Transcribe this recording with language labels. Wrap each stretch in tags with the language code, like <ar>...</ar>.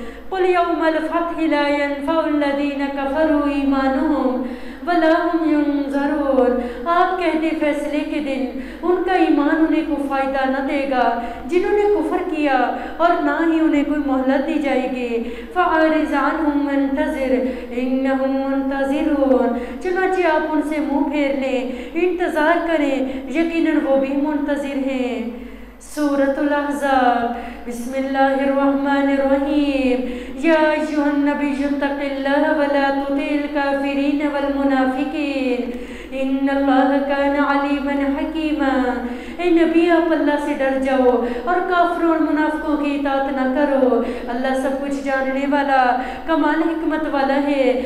<ar>قُلْ يَوْمَ الْفَتْحِ لَا يَنفَعُ الَّذِينَ كَفَرُوا إِيمَانُهُمْ وَلَا هُمْ يُنظَرُونَ,</ar> <ur>آپ کہتے فیصلے کے دن ان کا ایمان انہیں کو فائدہ نہ دے گا جنہوں نے کفر کیا اور نہ ہی انہیں کوئی مہلت دی جائے گی.</ur> <ar>فَعَرِضْ عَنْهُمْ وَانْتَظِرْ إِنَّهُمْ مُنْتَظِرُونَ,</ar> <ur>چنانچہ آپ ان سے منہ پھیر لیں انتظار کریں یقیناً وہ بھی منتظر ہیں.</ur> <ar>سورة الأحزاب, بسم الله الرحمن الرحيم. يا أيها النبي اتق الله ولا تطع الكافرين والمنافقين ان الله كان عليما حكيما,</ar> <ur>اے نبی آپ اللہ سے ڈر جاؤ اور کافروں اور منافقوں کی اطاعت نہ کرو, اللہ سب کچھ جاننے والا کمال حکمت والا ہے.</ur>